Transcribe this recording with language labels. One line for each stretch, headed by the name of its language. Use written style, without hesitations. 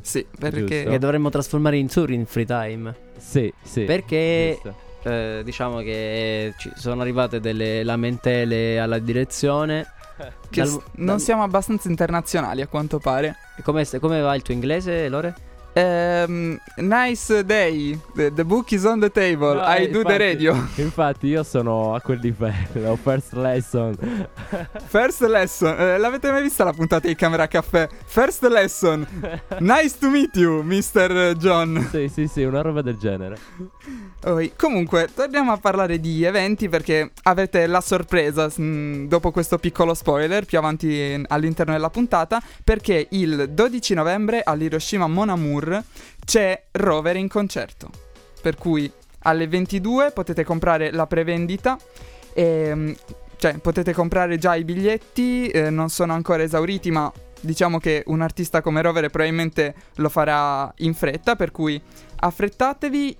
Italian: Sì, perché che dovremmo trasformare in Turin Free Time. Sì, sì. Perché diciamo che ci sono arrivate delle lamentele alla direzione che non siamo abbastanza internazionali a quanto pare. E come va il tuo inglese, Lore?
English: Nice day, the book is on the table, no, the radio.
Italian: Infatti io sono a quel livello,
English: first lesson,
Italian: l'avete mai vista la puntata di Camera Caffè?
English: First lesson, nice to meet you, Mr. John.
Italian: Sì, una roba del genere. Comunque, torniamo a parlare di eventi, perché avete la sorpresa, dopo questo piccolo spoiler, più avanti all'interno della puntata, perché il 12 novembre all'Hiroshima Mon Amour c'è Rover in concerto, per cui alle 22 potete comprare la prevendita e, cioè, potete comprare già i biglietti, non sono ancora esauriti, ma diciamo che un artista come Rover probabilmente lo farà in fretta, per cui affrettatevi.